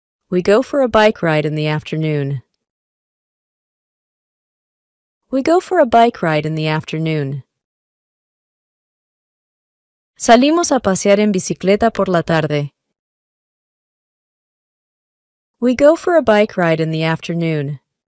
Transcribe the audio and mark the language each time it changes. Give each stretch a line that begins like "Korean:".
English: We go for a bike ride in the afternoon. We go for a bike ride in the afternoon.
Spanish: Salimos a pasear en bicicleta por la tarde.
English: We go for a bike ride in the afternoon.